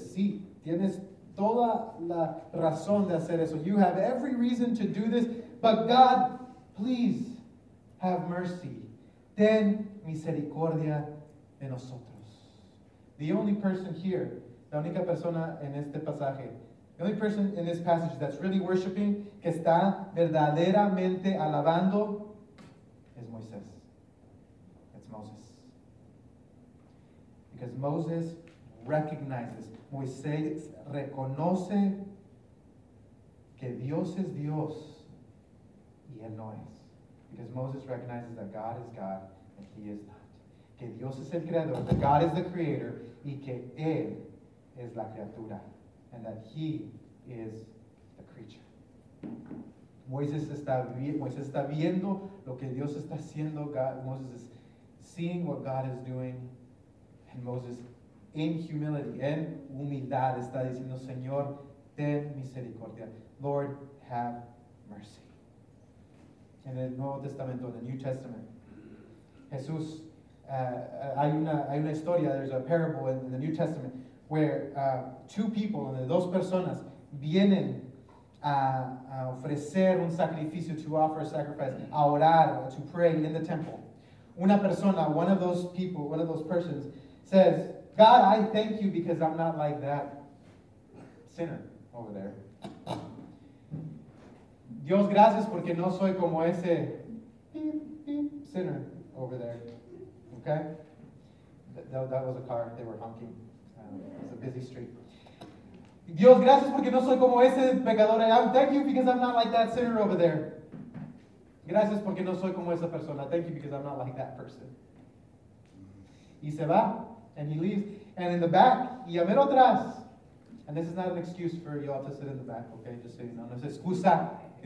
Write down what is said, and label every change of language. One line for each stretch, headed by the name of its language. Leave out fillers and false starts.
Spanish: Sí, tienes toda la razón de hacer eso.
English: You have every reason to do this, but God, please have mercy.
Spanish: Ten misericordia de nosotros.
English: The only person here,
Spanish: la única persona en este pasaje,
English: the only person in this passage that's really worshiping,
Spanish: que está verdaderamente alabando,
English: is Moisés. It's Moses. Because Moses recognizes,
Spanish: Moisés reconoce que Dios es Dios y él no es.
English: Because Moses recognizes that God is God and he is not.
Spanish: Que Dios es el creador,
English: that God is the creator,
Spanish: y que él es la criatura.
English: And that he is the creature.
Spanish: Moisés está viendo lo que Dios está haciendo.
English: God, Moses is seeing what God is doing. And Moses, in humility,
Spanish: en humildad, está diciendo, Señor, ten misericordia.
English: Lord, have mercy.
Spanish: En el Nuevo Testamento,
English: en el New Testament,
Spanish: Jesús, hay una historia,
English: there's a parable in the New Testament, where two people, and
Spanish: dos personas, vienen a ofrecer un sacrificio, to offer a sacrifice, a orar,
English: to pray in the temple.
Spanish: Una persona,
English: one of those people, one of those persons, says, God, I thank you because I'm not like that sinner over there.
Spanish: Dios, gracias porque no soy como ese beep, beep,
English: sinner over there. Okay? That was a car. They were honking. It's a busy street.
Spanish: Dios, gracias porque no soy como ese pecador.
English: Thank you because I'm not like that sinner over there.
Spanish: Gracias porque no soy como esa persona.
English: Thank you because I'm not like that person.
Spanish: Y se va.
English: And he leaves. And in the back,
Spanish: y a mero atrás.
English: And this is not an excuse for y'all to sit in the back, okay? Just so you know.
Spanish: No es excusa.